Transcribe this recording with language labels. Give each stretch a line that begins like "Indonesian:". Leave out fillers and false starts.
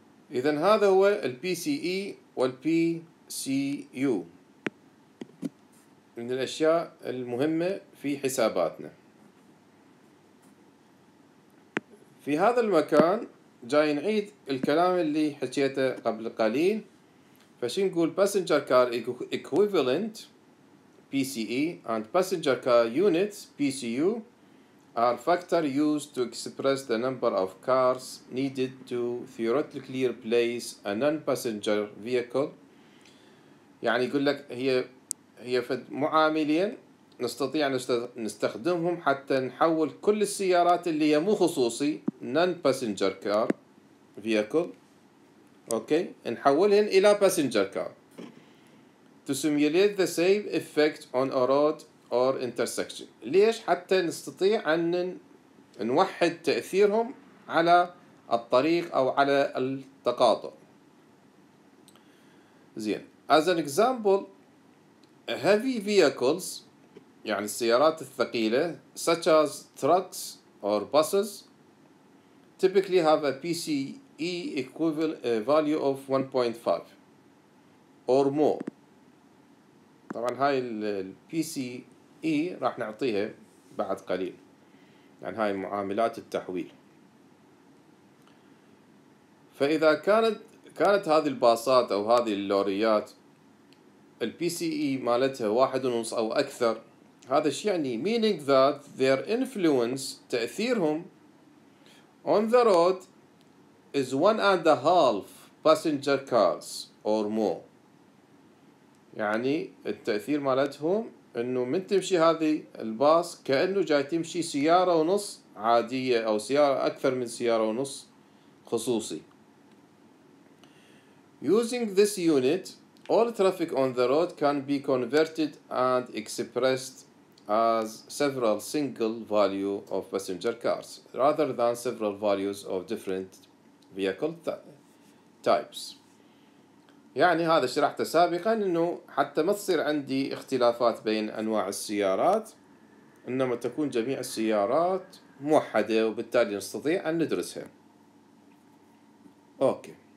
Arabic: إذا هذا هو PCE والPCU من الأشياء المهمة في حساباتنا. في هذا المكان جاي نعيد الكلام اللي حكيته قبل قليل. فش نقول
English: passenger car equivalent PCE and passenger car units PCU are factor used to express the number of cars needed to theoretically replace a non-passenger vehicle.
Arabic: يعني يقول لك هي فد معاملين نستطيع نستخدمهم حتى نحول كل السيارات اللي هي مو خصوصي
English: non-passenger car vehicle،
Arabic: اوكي، نحولهن الى
English: passenger car to simulate the same effect on a road or intersection.
Arabic: ليش؟ حتى نستطيع ان نوحد تأثيرهم على الطريق او على التقاطع.
English: زين، as an example heavy vehicles،
Arabic: يعني السيارات الثقيلة
English: such as trucks or buses typically have a PCE equivalent value of 1.5 or more.
Arabic: طبعا هاي الـ PCE راح نعطيها بعد قليل، يعني هاي معاملات التحويل. فإذا كانت هذه الباصات أو هذه اللوريات الـ PCE مالتها 1.5 أو أكثر، هذا الشيء يعني
English: meaning that their influence،
Arabic: تأثيرهم
English: on the road is 1.5 passenger cars or more.
Arabic: يعني التأثير مالتهم انه من تمشي هذه الباص كأنه جاي تمشي سيارة ونص عادية او سيارة اكثر من سيارة ونص خصوصي.
English: Using this unit all traffic on the road can be converted and expressed as several single value of passenger cars rather than several values of different vehicle types.
Arabic: يعني هذا شرحته سابقا، انه حتى ما تصير عندي اختلافات بين انواع السيارات، انما تكون جميع السيارات موحدة وبالتالي نستطيع ان ندرسها. اوكي،